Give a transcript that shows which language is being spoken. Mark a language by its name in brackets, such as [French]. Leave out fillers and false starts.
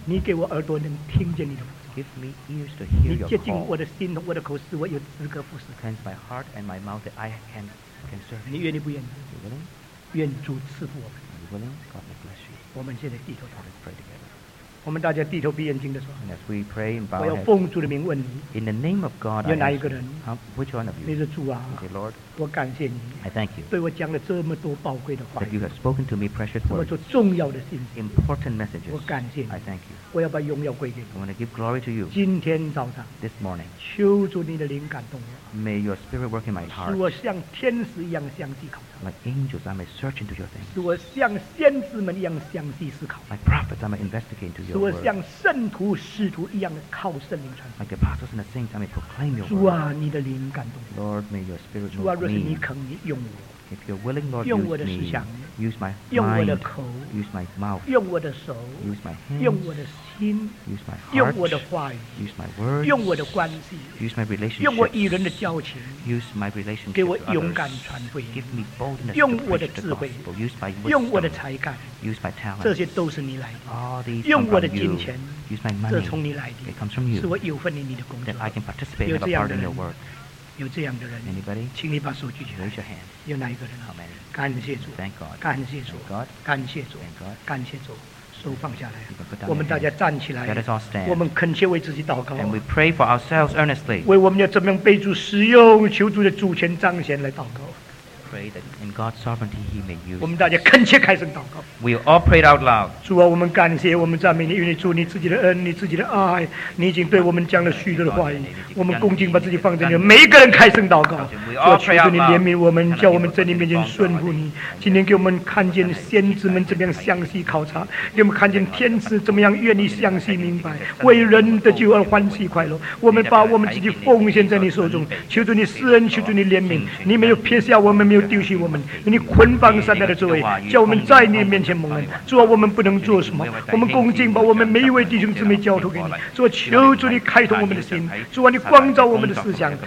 [Chinese] 你给我耳朵能听见你的呼召, [English] give me ears to hear [Chinese] 你接近我的心, [English] your call, [Chinese] 我的口是我有资格服侍, [English] cleanse my heart and my mouth that I can serve you. Are you willing? [Chinese] 愿主赐福我们, [English] are you willing? God may bless you. [Chinese] 我们现在低头祷告, [English] let's pray together. [Chinese] 我们大家低头闭眼睛的时候, [English] and as we pray and bow, [Chinese] 我要奉主的名问你, [English] in the name of God, [Chinese] 有哪一个人, [English] I ask, which one of you? [Chinese] 你是主啊, [English] okay, Lord, [Chinese] 我感谢你, [English] I thank you, [Chinese] 对我讲了这么多宝贵的话, [English] that you have spoken to me precious words, [Chinese] 这么多重要的信息, [English] important messages, [Chinese] 我感谢你, [English] I thank you, [Chinese] 我要把荣耀归给你, [English] I want to give glory to you, [Chinese] 今天早上, [English] this morning, [Chinese] 求主你的灵感动我, [English] may your spirit work in my heart, [Chinese] 使我像天使一样详细考虑, [English] like angels, I may search into your things. [Chinese] 使我像先知们一样详细思考, [English] like prophets, I may investigate into your word. [Chinese] 使我像圣徒使徒一样的靠圣灵传, [English] like apostles and the saints, I may proclaim your [Chinese] 主啊, [English] word. [Chinese] 你的灵感动, [English] Lord, may your spirit move me. [Chinese] 若是你肯你用我, [English] if you're willing, Lord, [Chinese] 用我的思想, [English] use me. Use my mind. [Chinese] 用我的口, [English] use my mouth. [Chinese] 用我的手, [English] use my hands. [Chinese] 用我的心, [English] use my heart. [Chinese] 用我的话语, [English] use my words. [Chinese] 用我的关系, [English] use my relationship. [Chinese] 用我与人的交情, [English] use my relationship. [Chinese] 给我勇敢传福音, [English] give me boldness. [Chinese] 用我的智慧, [English] use my wisdom. [Chinese] 用我的才干, [English] use my talent. [Chinese] 这些都是你来的, [English] all these [Chinese] 用我的金钱, [English] use my money. [Chinese] 这从你来的, [English] it comes from you. [Chinese] 使我有份于你的工作, [English] that I can participate and have a part in your work. [Chinese] 有这样的人, [English] anybody? [Chinese] 请你把手举起来, [English] raise your hand. [Chinese] 有哪一个人? [English] How many? [Chinese] 感谢主, [English] thank God. [Chinese] 感谢主, [English] thank God. [Chinese] 感谢主, [English] thank God. [Chinese] 感谢主, 手放下来, 我们大家站起来, [English] let us all stand. [Chinese] 我们恳切为自己祷告, [English] and we pray for ourselves earnestly. [Chinese] 为我们要怎么样被主使用, 求主的主权彰显来祷告, [English] pray that in God's sovereignty he may use. [Chinese] 我们大家恳切开声祷告, [English] we all prayed out loud. [Chinese] 主啊, 我们感谢, 我们赞美你, 因为主, 你自己的恩, 你自己的爱, 你已经对我们讲了许多的话语, 我们恭敬把自己放在你的每一个人开声祷告, 主啊, 求主你怜悯我们, 叫我们在你面前顺服你, 今天给我们看见先知们怎么样详细考察, 给我们看见天使怎么样愿意详细明白, 为人的救恩欢喜快乐, 我们把我们自己奉献在你手中, 求主你施恩, 求主你怜悯, 你没有撇下我们, 没有丢弃我们, 你捆绑三代的作为, 叫我们在你面前蒙恩, 主啊我们不能做什么, 我们恭敬把我们每一位弟兄姊妹交托给你, 主啊求主你开通我们的心, 主啊你光照我们的思想,